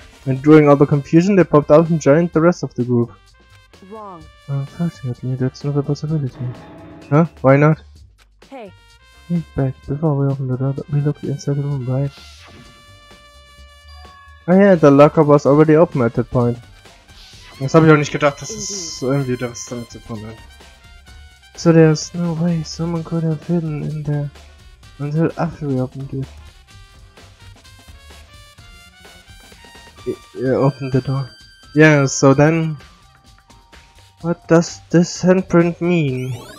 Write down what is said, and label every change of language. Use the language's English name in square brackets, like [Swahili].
[English] And during all the confusion, they popped out and joined the rest of the group. Wrong. Unfortunately, that's not a possibility. Huh? Why not? Hey. Think back, before we opened the door, we looked inside the room, right? Oh yeah, the locker was already open at that point. [German] Das habe ich auch nicht gedacht, dass es irgendwie das damit zu tun hat. [English] So there's no way someone could have hidden in there until after we opened it. Opened the door. Yeah, so then... What does this handprint mean?